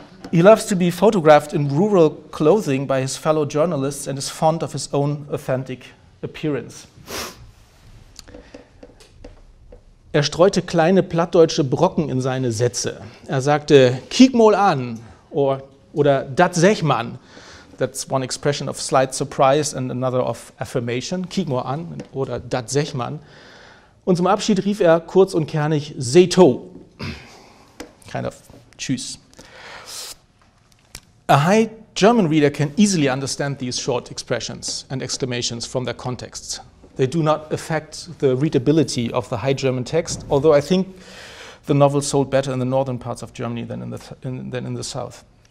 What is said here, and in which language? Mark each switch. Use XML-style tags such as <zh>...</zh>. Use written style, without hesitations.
<en>He loves to be photographed in rural clothing by his fellow journalists and is fond of his own authentic appearance.</en> <de>Streute kleine plattdeutsche Brocken in seine Sätze. Sagte,</de> <nds>kiek mal an, oder dat sech man.</nds> <en>That's one expression of slight surprise and another of affirmation.</en> <nds>Kiek mal an, oder dat sech man.</nds> <de>Und zum Abschied rief kurz und kernig, seto.</de> <en>Kind of tschüss. A high German reader can easily understand these short expressions and exclamations from their contexts. They do not affect the readability of the high German text, although I think the novel sold better in the northern parts of Germany than in the south.</en>